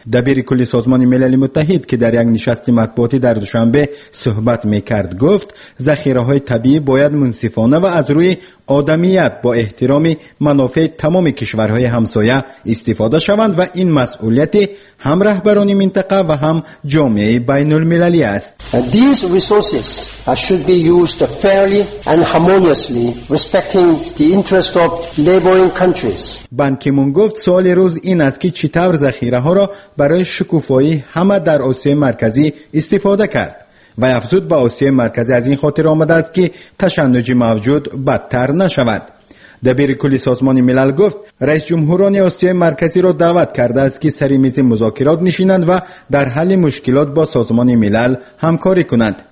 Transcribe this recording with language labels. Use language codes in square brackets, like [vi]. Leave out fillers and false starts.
[fa] دبیر کلی سازمان ملل متحد که در یک نشست مطبوعاتی در دوشنبه صحبت میکرد گفت ذخیره های طبیعی باید منصفانه و از روی آدمیت با احترام منافع تمام کشورهای همسایه استفاده شوند و این مسئولیت هم رهبران منطقه و هم جامعه بین المللی است. [en] These resources should be used fairly and harmoniously respecting the interest of neighboring countries. [fa] بان کی مون گفت سوال روز این است که چطور ذخیره ها را برای شکوفایی همه در آسیای مرکزی استفاده کرد و افزود به آسیای مرکزی از این خاطر آمده است که تشنج موجود بدتر نشود. دبیر کلی سازمان ملل گفت رئیس جمهوران آسیای مرکزی را دعوت کرده است که سر میز مذاکرات نشینند و در حل مشکلات با سازمان ملل همکاری کنند.